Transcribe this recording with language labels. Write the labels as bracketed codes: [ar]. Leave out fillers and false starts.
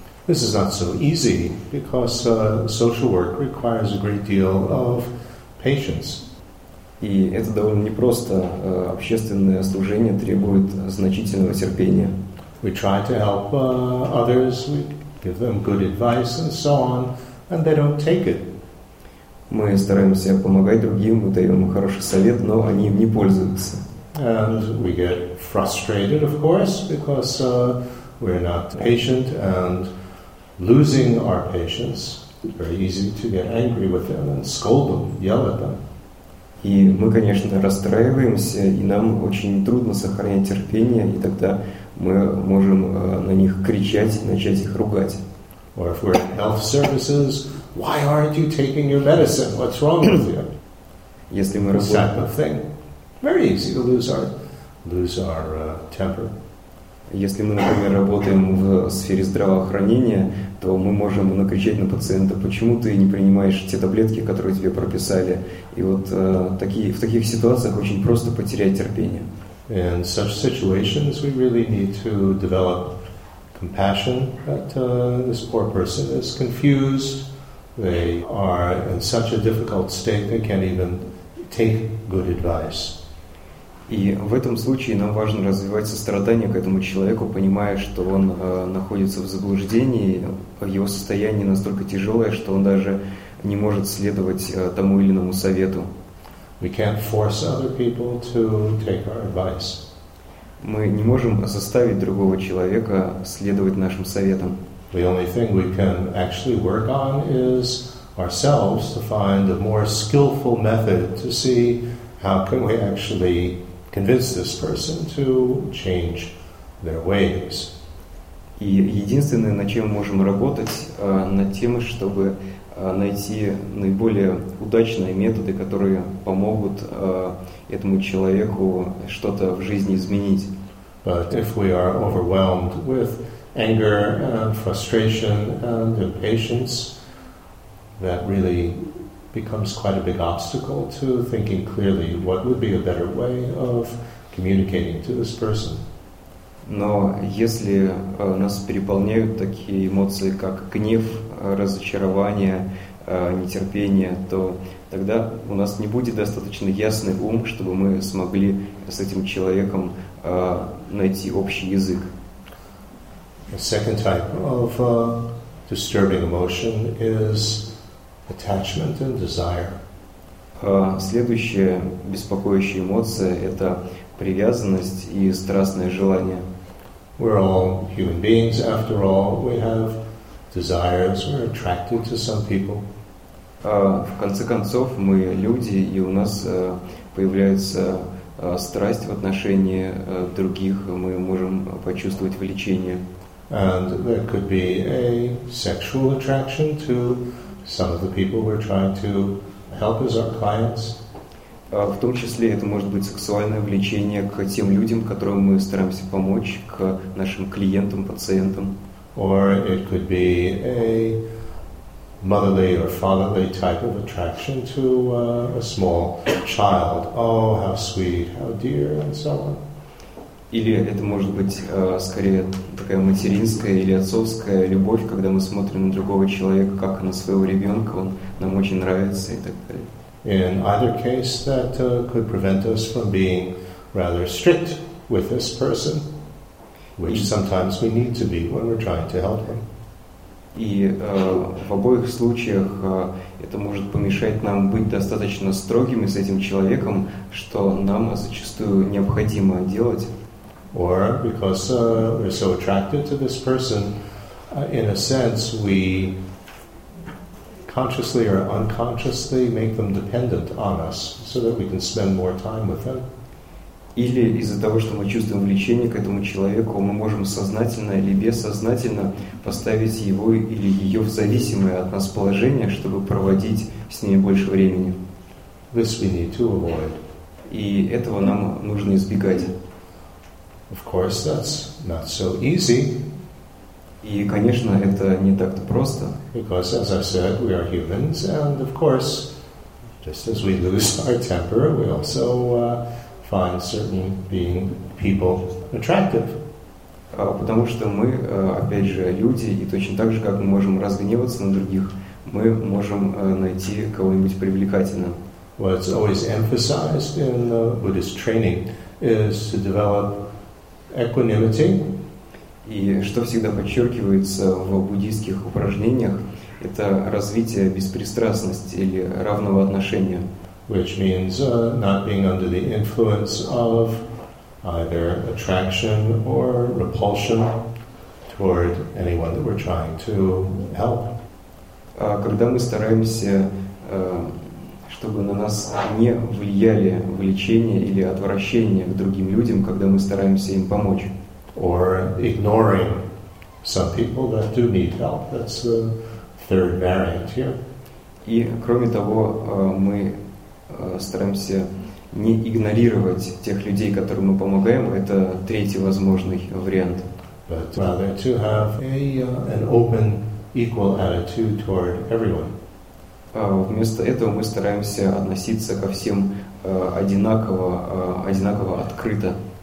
[en] This is not so easy because social work requires a great deal of patience. [ru] И это довольно непросто. Общественное служение требует значительного терпения. [en] We try to help others, we give them good advice and so on, and they don't take it. [ru] Мы стараемся помогать другим, мы даем им хороший совет, но они им не пользуются. [en] And we get frustrated, of course, because we're not patient, and losing our patience, it's very easy to get angry with them and scold them, yell at them. [ru] И мы, конечно, расстраиваемся, и нам очень трудно сохранять терпение, и тогда мы можем на них кричать, начать их ругать. [en] Or if we're in health services, why aren't you taking your medicine? What's wrong with you? [ru] Если мы работаем... [en] Very easy to lose our temper. [ru] Если мы, например, работаем в сфере здравоохранения, то мы можем накричать на пациента: почему ты не принимаешь те таблетки, которые тебе прописали? И вот в таких ситуациях очень просто потерять терпение. [en] In such situations, we really need to develop compassion. That this poor person is confused. They are in such a difficult state. They can't even take good advice. [ru] И в этом случае нам важно развивать сострадание к этому человеку, понимая, что он находится в заблуждении, его состояние настолько тяжелое, что он даже не может следовать тому или иному совету. [en] We can't force other people to take our advice. [ru] Мы не можем заставить другого человека следовать нашим советам. [en] The only thing we can actually work on is ourselves to find a more skillful method to see how can we actually convince this person to change their ways. [ru] И единственное, над чем мы можем работать, над тем, чтобы найти наиболее удачные методы, которые помогут этому человеку что-то в жизни изменить. [en] But if we are overwhelmed with anger and frustration and impatience, that really becomes quite a big obstacle to thinking clearly what would be a better way of communicating to this person. [ru] Но если нас переполняют такие эмоции, как гнев, разочарование, нетерпение, то тогда у нас не будет достаточно ясный ум, чтобы мы смогли с этим человеком найти общий язык. [en] The second type of disturbing emotion is attachment and desire. [ru] Следующая беспокоящая эмоция – это привязанность и страстное желание. [en] We're all human beings, after all, we have desires, we're attracted to some people. [ru] В конце концов, мы люди, и у нас появляется страсть в отношении других, мы можем почувствовать влечение. [en] And there could be a sexual attraction to some of the people we're trying to help as our clients. [ru] В том числе это может быть сексуальное влечение к тем людям, которым мы стараемся помочь, к нашим клиентам, пациентам. [en] Or it could be a motherly or fatherly type of attraction to a small child. Oh, how sweet, how dear, and so on. [ru] Или это может быть скорее такая материнская или отцовская любовь, когда мы смотрим на другого человека, как на своего ребенка, он нам очень нравится и так далее. [en] In either case, that could prevent us from being rather strict with this person, which sometimes we need to be when we're trying to help him. [ru] И в обоих случаях это может помешать нам быть достаточно строгими с этим человеком, что нам зачастую необходимо делать. [en] Or because we're so attracted to this person, in a sense, we consciously or unconsciously make them dependent on us so that we can spend more time with them. [ru] Или из-за того, что мы чувствуем влечение к этому человеку, мы можем сознательно или бессознательно поставить его или ее в зависимое от нас положение, чтобы проводить с ней больше времени. [en] This we need to avoid. [ru] И этого нам нужно избегать. [en] Of course, that's not so easy. [ru] И, конечно, это не так-то просто. [en] Because, as I said, we are humans, and of course, just as we lose our temper, we also find certain people attractive. [ru] Потому что мы, опять же, люди, и точно так же, как мы можем разгневаться на других, мы можем найти кого-нибудь привлекательным. [en] What's always emphasized in the Buddhist training is to develop equanimity. [ru] И что всегда подчеркивается в буддийских упражнениях, это развитие беспристрастности или равного отношения. [en] Which means not being under the influence of either attraction or repulsion toward anyone that we're trying to help. [ru] Когда мы стараемся, чтобы на нас не влияли влечение или отвращение к другим людям, когда мы стараемся им помочь. [en] Or ignoring some people that do need help. That's the third variant here. [ru] И кроме того, мы стараемся не игнорировать тех людей, которым мы помогаем. Это третий возможный вариант. [en] But rather to have an open, equal attitude toward everyone. [ru] Вместо этого мы стараемся относиться ко всем одинаково открыто.